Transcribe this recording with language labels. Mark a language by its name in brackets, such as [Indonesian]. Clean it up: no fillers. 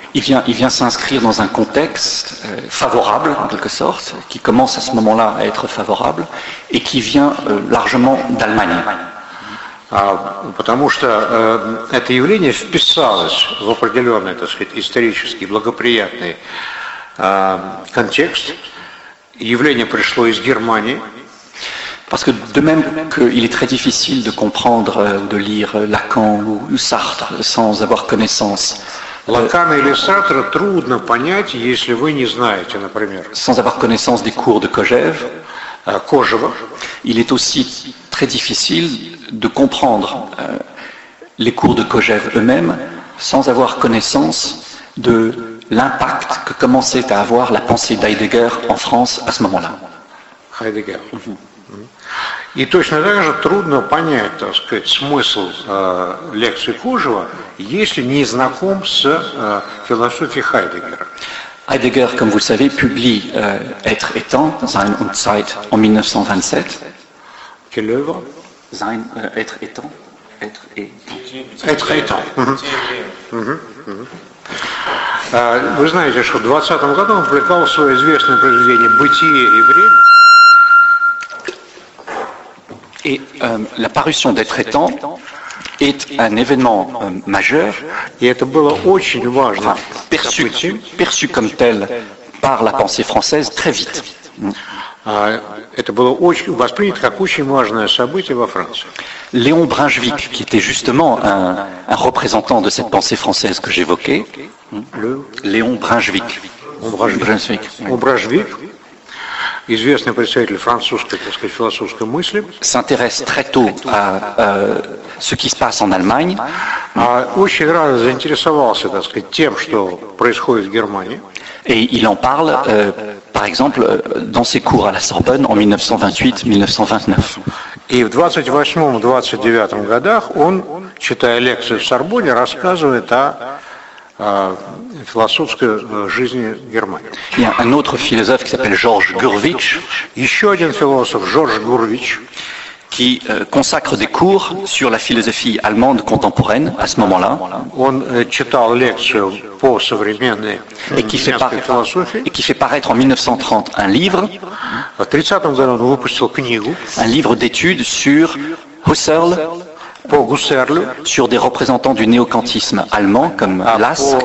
[French] Il vient s'inscrire dans un contexte favorable, en quelque sorte, qui commence à ce moment-là à être favorable, et qui vient largement d'Allemagne. [Russian] Потому что это явление вписалось в определенный, так сказать, исторический благоприятный контекст. Явление пришло из Германии. [French] Parce que de même qu'il est très difficile de comprendre ou de lire Lacan ou Sartre sans avoir connaissance. [Russian] Lacan или Sartre трудно понять, если вы не знаете, например. [French] Sans avoir connaissance des cours de Kojève. [Russian] Кожева. [French] Il est aussi très difficile de comprendre les cours de Kojève eux-mêmes sans avoir connaissance de l'impact que commençait à avoir la pensée d'Heidegger en France à ce moment-là. Heidegger. [Russian] И точно так же трудно понять, так сказать, смысл лекции Кожева, если не знаком с философией Хайдеггера. [French] Heidegger, comme vous le savez, publie Être et temps, Sein und Zeit, en 1927. Quelle œuvre? Sein, Être et temps. Être et temps. Être et temps. [Russian] Вы знаете, что в 20-м году он публиковал свое известное произведение «Бытие и время». [French] Et la parution d'Être et temps est un événement majeur [Russian] et это было очень важно, [French] perçu comme tel par la pensée française très vite. [Russian] Это было очень воспринято как очень важное событие во Франции. [French] Léon Brunjvic, qui était justement un représentant de cette pensée française que j'évoquais, Léon Brunjvic. Brunjvic. [Russian] известный представитель французской, так сказать, философской мысли, [French] s'intéresse très tôt à ce qui se passe en Allemagne. [Russian] Очень рано заинтересовался, так сказать, тем, что происходит в Германии. [French] Et il en parle, par exemple, dans ses cours à la Sorbonne en 1928-1929. [Russian] И в 28-29 годах он, читая лекции в Сорбонне, рассказывает о философской жизни Германии. [French] Il y a un autre philosophe qui s'appelle Georges Gurvitch. [Russian] Еще один философ, Жорж Гурвич, [French] qui consacre des cours sur la philosophie allemande contemporaine à ce moment-là. [Russian] Он читал лекцию по современной философии. [French] Et qui fait paraître en 1930 un livre. [Russian] В 30-м году он выпустил книгу. [French] Un livre d'études sur Husserl. [Russian] По Гуссерлю. [French] Sur des représentants du néo-kantisme allemand comme Lask.